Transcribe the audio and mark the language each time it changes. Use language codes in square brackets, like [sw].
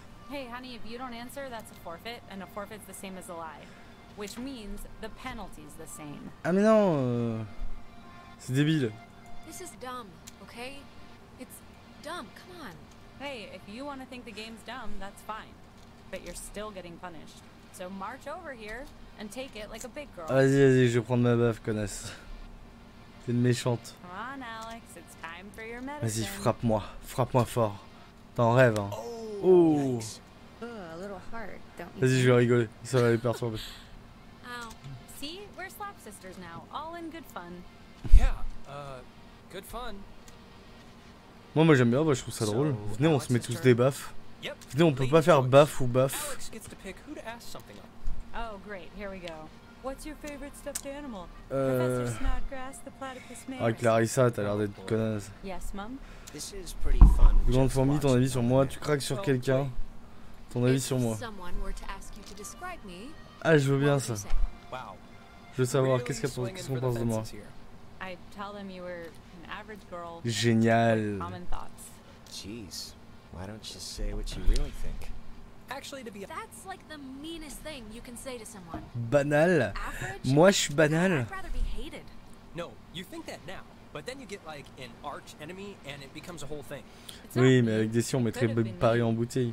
[en] Hey, honey, if you don't answer, that's a forfeit. And a forfeit's the same as a lie. Which means the penalty's the same. [fr] Ah mais non, c'est débile. [en] This is dumb, okay? It's dumb. Come on. Hey, if you want to think the game's dumb, that's fine. But you're still getting punished. So march over here and take it like a big girl. [fr] Vas-y, je vais prendre ma baffe, connasse. T'es une méchante. [en] Come on, Alex, it's time for your medicine. [fr] Vas-y, frappe-moi fort. T'en rêves, hein? Oh. [en] Oh, a little hard, don't you? [fr] Vas-y, je vais rigoler. Ça va les perturber. [en] See, we're slap sisters now, all in good fun. Yeah, good fun. [fr] Moi j'aime bien, je trouve ça drôle. Venez, on se met tous des baffes. [en] Yep. [fr] Venez, on peut pas faire baff ou baff. [en] Alex gets to pick who to ask something of. Oh great, here we go. What's your favorite stuffed animal? Professor Snodgrass, the platypus man. [fr] Ah, Clarissa, t'as l'air d'être connasse. [en] Yes, mom. This is pretty fun. [fr] Grande fourmi, ton avis sur moi? Tu craques sur quelqu'un? Ton avis sur moi? [en] Someone were to ask you to describe me. [fr] Ah, je veux bien ça. Je veux savoir qu'est-ce qu'elle pense, qu'est-ce qu'on pense de moi. [en] I tell them you were an average girl. [fr] Génial. [en] Common thoughts. Jeez. Why don't you say what you really think? Actually, to be that's like the meanest thing you can say to someone. [fr] Banal. Moi, je suis banal. [en] I'd rather be hated. No, you think that now, but then you get like an arch enemy and it becomes a whole thing. [fr] Oui, mais avec des si on mettrait Paris en bouteille.